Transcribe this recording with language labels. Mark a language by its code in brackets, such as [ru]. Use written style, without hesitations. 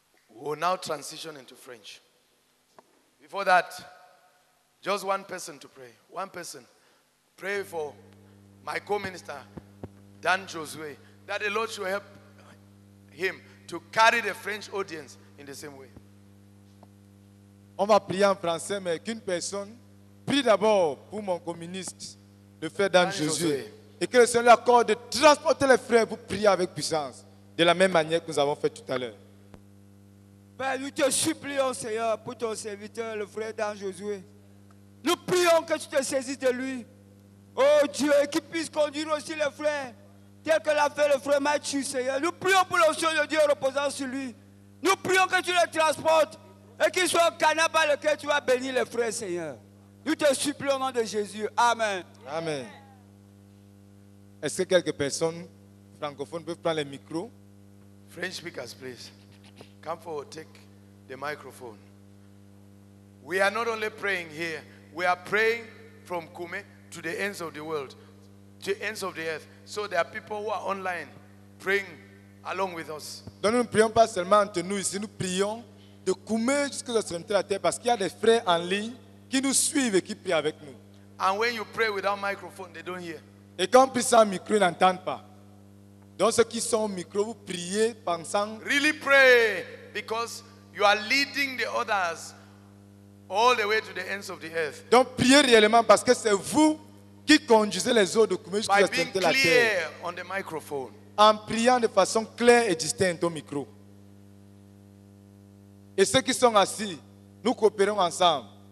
[en] We'll now transition into French. Before that, just one person to pray. One person. Pray for my co-minister, Dan Josue, that the Lord should help him to carry the French audience in the same way. [fr] On va prier en français, mais qu'une personne prie d'abord pour mon communiste, le frère Dan Josué, et que le Seigneur accorde de transporter les frères pour prier avec puissance, de la même manière que nous avons fait tout à l'heure. Père, nous te supplions, Seigneur, pour ton serviteur, le frère Dan Josué. Nous prions que tu te saisisses de lui. Oh Dieu, qu'il puisse conduire aussi les frères. Tel que l'a fait le frère Mathieu, Seigneur. Nous prions pour l'onction de Dieu reposant sur lui. Nous prions que tu le transportes Et qu'il soit au Canada lequel tu vas bénir les frères, Seigneur. Nous te supplions au nom de Jésus. Amen. Amen. Est-ce que quelques personnes francophones peuvent prendre les micros? [en] French speakers, please. Come forward, take the microphone. We are not only praying here, we are praying from Kume to the ends of the world, to the ends of the earth. So there are people who are online praying along with us. [fr] Donc nous ne prions pas seulement entre nous ici, nous prions de Kume jusqu'à la terre parce qu'il y a des frères en ligne qui nous suivent et qui prient avec nous. [en] And when you pray without microphone, they don't hear. [fr] Et quand on prie sans micro, ils n'entendent pas. Donc ceux qui sont au micro, vous priez pensant. [en] Really pray because you are leading the others all the way to the ends of the earth. [fr] Donc priez réellement parce que c'est vous qui conduisez les autres de Kume jusqu'à la terre. [en] By being clear on the microphone. [fr] En priant de façon claire et distincte au micro. Et ceux qui sont assis, nous coopérons ensemble.